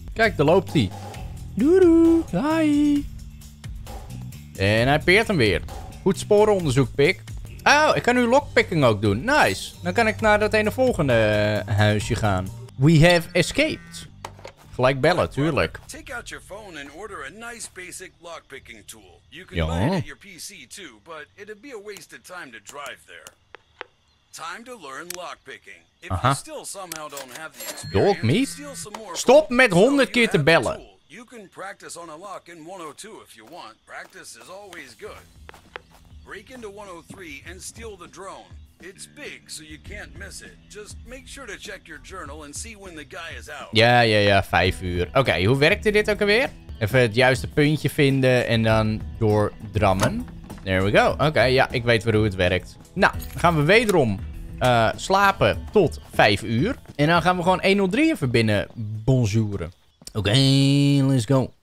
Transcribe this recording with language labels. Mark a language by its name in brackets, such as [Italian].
[Dutch] Kijk, daar loopt hij. Doedoe. Hi. En hij peert hem weer. Goed sporenonderzoek, pik. Oh, ik kan nu lockpicking ook doen. Nice. Dan kan ik naar dat ene volgende huisje gaan. [English] We have escaped. [Dutch] Gelijk bellen, tuurlijk. [English] Take out your phone and order a nice basic lockpicking tool. You can buy it at your PC too, but it'd be a waste of time to drive there. Time to learn lockpicking. If you still somehow don't have the experience, [Dutch] stop met 100 keer te bellen. [English] You can practice on a lock in 102 if you want. Practice is always good. Break into 103 and steal the drone. It's big, so you can't miss it. Just make sure to check your journal and see when the guy is out. [Dutch] Ja, ja, ja, 5 uur. Oké, hoe werkte dit ook alweer? Even het juiste puntje vinden en dan doordrammen. [English] There we go. [Dutch] Oké, ja, ik weet weer hoe het werkt. Nou, dan gaan we wederom slapen tot 5 uur. En dan gaan we gewoon 103 even binnen bonjouren. Oké, [English] let's go.